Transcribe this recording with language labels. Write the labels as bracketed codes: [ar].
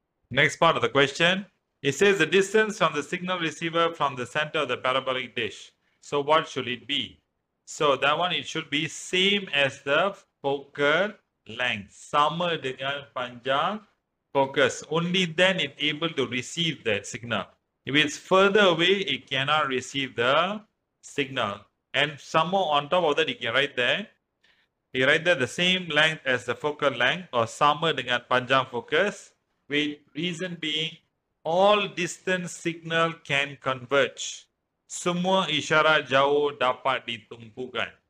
[en] Next part of the question, it says the distance from the signal receiver from the center of the parabolic dish. So what should it be? So that one, it should be same as the focal length. [ms] Sama dengan panjang focus. [en] Only then it able to receive the signal. If it's further away, it cannot receive the signal. And some more on top of that, you can write there. You write there the same length as the focal length or [ms] sama dengan panjang focus. [en] With reason being, all distance signal can converge. [ms] Semua isyarat jauh dapat ditumpukan.